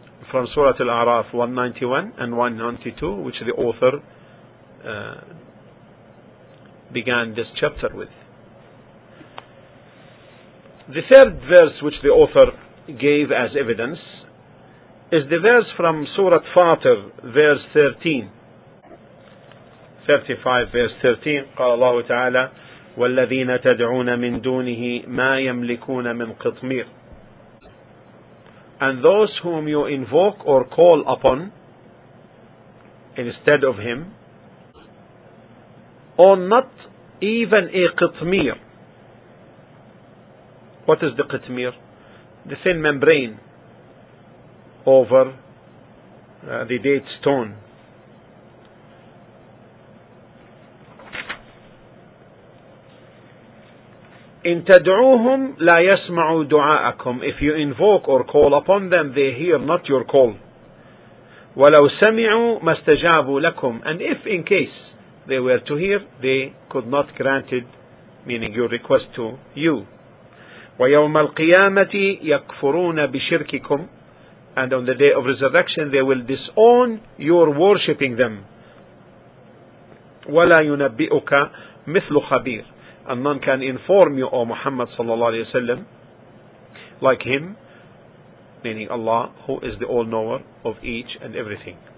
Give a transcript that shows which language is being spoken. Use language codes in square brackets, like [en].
[en] From Surah Al-A'raf 191 and 192, which the author began this chapter with. The third verse which the author gave as evidence is the verse from Surah Fatir, verse 13. 35, verse 13. [ar] قال الله تعالى والذين تدعون من دونه ما يملكون من قطمير. [en] And those whom you invoke or call upon instead of him are not even a qitmir. What is the qitmir? The thin membrane over the date stone. [ar] إن تدعوهم لا يسمعوا دعاءكم. [en] If you invoke or call upon them, they hear not your call. [ar] ولو سمعوا ما استجابوا لكم. [en] And if in case they were to hear, they could not grant it, meaning your request to you. [ar] ويوم القيامة يكفرون بشرككم. [en] And on the day of resurrection, they will disown your worshipping them. [ar] ولا ينبئك مثل خبير. [en] And none can inform you, O Muhammad sallallahu alayhi wa sallam, like him, meaning Allah, who is the all-knower of each and everything.